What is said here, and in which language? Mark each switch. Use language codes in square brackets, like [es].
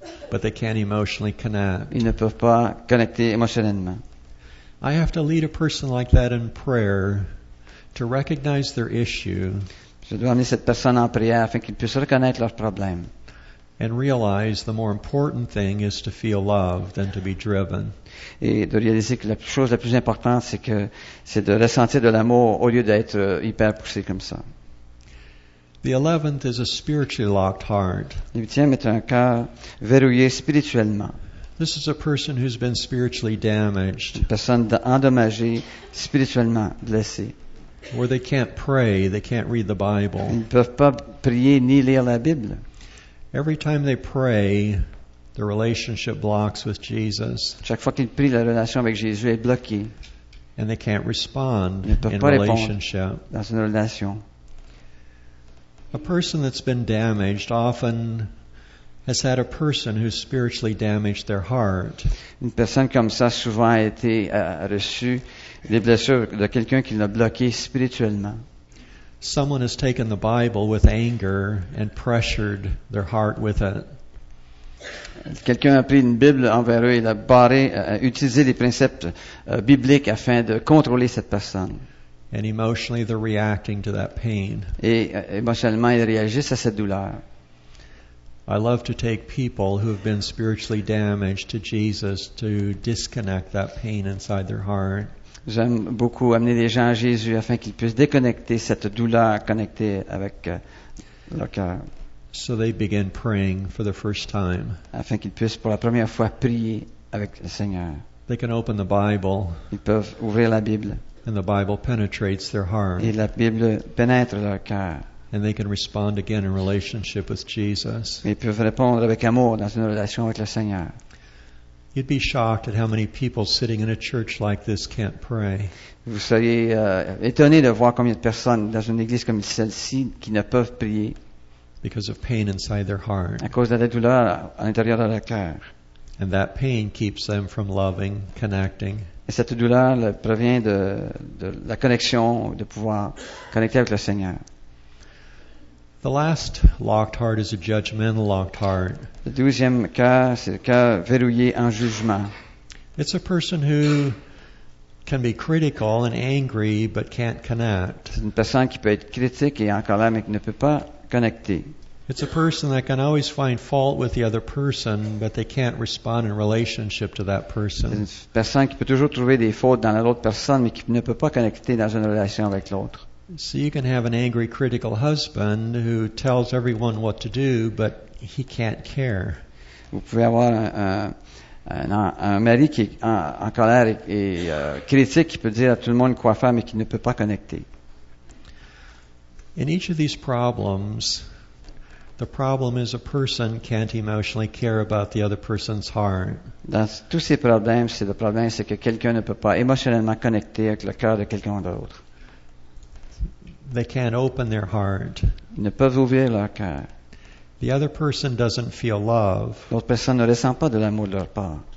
[en] But they can't emotionally connect. [fr] Ils ne peuvent pas connecter émotionnellement. [en] I have to lead a person like that in prayer to recognize their issue. [fr] Je dois amener cette personne en prière afin qu'ils puissent reconnaître leur problème. [en] And realize the more important thing is to feel loved than to be driven. [fr] Et de réaliser que la chose la plus importante c'est de ressentir de l'amour au lieu d'être hyper poussé comme ça. [en] The 11th is a spiritually locked heart. [fr] Le 8e est un cœur verrouillé spirituellement. [en] This is a person who's been spiritually damaged. [fr] Une personne endommagée spirituellement, blessée. [en] Where they can't pray, they can't read the Bible. [fr] Ils ne peuvent pas prier ni lire la Bible. [en] Every time they pray, the relationship blocks with Jesus. [fr] Chaque fois qu'ils prient, la relation avec Jésus est bloquée. [en] And they can't respond [fr] ils ne peuvent [en] in [fr] pas [en] relationship. [fr] Répondre dans une relation. [en] A person that's been damaged often has had a person who spiritually damaged their heart. [fr] Une personne comme ça souvent a reçu des blessures de quelqu'un qui l'a bloqué spirituellement. [en] Someone has taken the Bible with anger and pressured their heart with it. [fr] Quelqu'un a pris une Bible envers eux et l'a barré, a utilisé les préceptes bibliques afin de contrôler cette personne. [en] And emotionally they're reacting to that pain. [fr] Et émotionnellement ils réagissent à cette douleur. [en] I love to take people who have been spiritually damaged to Jesus to disconnect that pain inside their heart. [fr] J'aime beaucoup amener les gens à Jésus afin qu'ils puissent déconnecter cette douleur connectée avec leur cœur. [en] So they begin praying for the first time. [fr] Afin qu'ils puissent pour la première fois prier avec le Seigneur. [en] They can open the Bible. [fr] Ils peuvent ouvrir la Bible. [en] And the Bible penetrates their heart. [fr] Et la Bible pénètre leur cœur. [en] and they can respond again in relationship with Jesus. [fr] Ils peuvent répondre avec amour dans une relation avec le Seigneur. [en] You'd be shocked at how many people sitting in a church like this can't pray. [fr] Vous seriez étonné de voir combien de personnes dans une église comme celle-ci qui ne peuvent prier. [en] Because of pain inside their heart. [fr] À cause de la douleur à l'intérieur de leur cœur. [en] And that pain keeps them from loving, connecting. [fr] Et cette douleur provient de la connexion, de pouvoir connecter avec le Seigneur. [en] The last locked heart is a judgmental locked heart. [fr] Le douzième cœur, c'est le cœur verrouillé en jugement. [en] It's a person who can be critical and angry but can't connect. [fr] C'est une personne qui peut être critique et en colère mais qui ne peut pas connecter. [en] It's a person that can always find fault with the other person, but they can't respond in relationship to that person. [fr] C'est une personne qui peut toujours trouver des fautes dans l'autre personne, mais qui ne peut pas connecter dans une relation avec l'autre. [en] So you can have an angry, critical husband who tells everyone what to do, but he can't care. [fr] Vous pouvez avoir un mari qui est en colère et critique, qui peut dire à tout le monde quoi faire, mais qui ne peut pas connecter. [en] In each of these problems, the problem is a person can't emotionally care about the other person's heart. [fr] Dans tous ces problèmes, c'est le problème, c'est que quelqu'un ne peut pas émotionnellement connecter avec le cœur de quelqu'un d'autre. [en] They can't open their heart. [fr] Ils ne peuvent ouvrir leur cœur. [en] The other person doesn't feel love. [fr] L'autre personne ne ressent pas de l'amour de leur part.